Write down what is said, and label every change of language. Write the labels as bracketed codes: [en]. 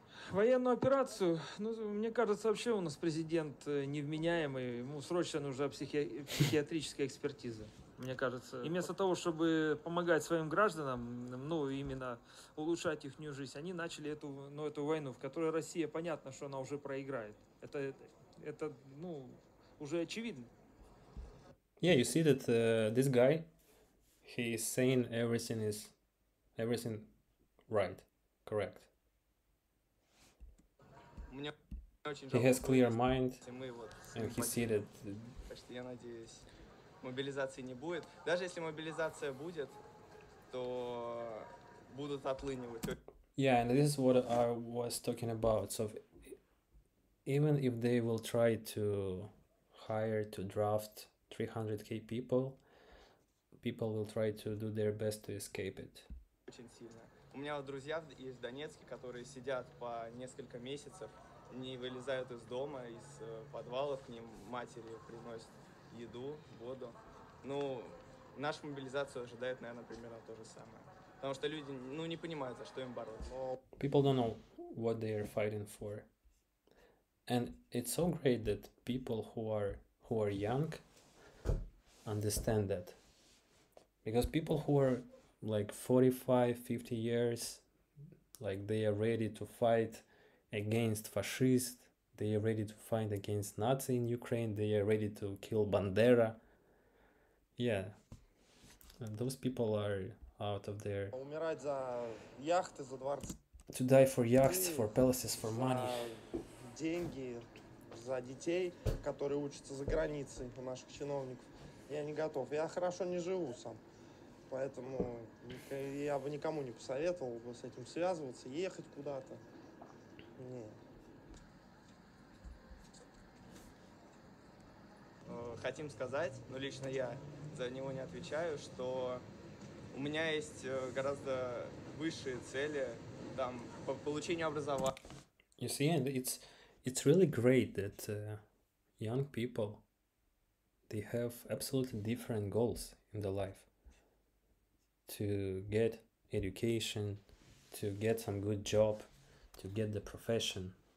[ru] Военную операцию, ну, мне кажется, вообще у нас президент невменяемый, ему срочно нужна психиатрическая экспертиза, мне кажется. И вместо того, чтобы помогать своим гражданам, ну, именно улучшать их жизнь, они начали эту войну, в которой Россия, понятно, что она уже проиграет. Это ну, уже очевидно. [en] Yeah, you see that this guy, he is saying everything right, correct. He has clear mind, and he see that. [ru] Почти я надеюсь, мобилизации не будет. Даже если мобилизация будет, то будут отлынивать. [en] Yeah, and this is what I was talking about. So, even if they will try to hire to draft 300k people, people will try to do their best to escape it. [ru] Очень сильно. У меня вот друзья из Донецка, которые сидят по несколько месяцев. Не вылезают из дома, из подвала, к ним матери приносят еду, воду. Ну, нашу мобилизацию ожидает, наверное, примерно то же самое. Потому что люди, ну, не понимают, за что им бороться. [en] People don't know what they are fighting for. And it's so great that people who are young understand that. Because people who are like 45, 50 years, like they are ready to fight against fascists, they are ready to fight against Nazi in Ukraine, they are ready to kill Bandera. Yeah, and those people are out of there. [ru] Умирать за яхты, за дворцы. [en] To die for yachts, for palaces, for money. [ru] Деньги за детей, которые учатся за границей, у наших чиновников. Я не готов. Я хорошо не живу сам. Поэтому я бы никому не посоветовал бы с этим связываться, ехать куда-то. Нет. Хотим сказать, но лично я за него не отвечаю, что у меня есть гораздо высшие цели, там, по получению образования. [en] You see, it's really great that young people, they have absolutely different goals in the life. To get education, to get some good job, to get the profession.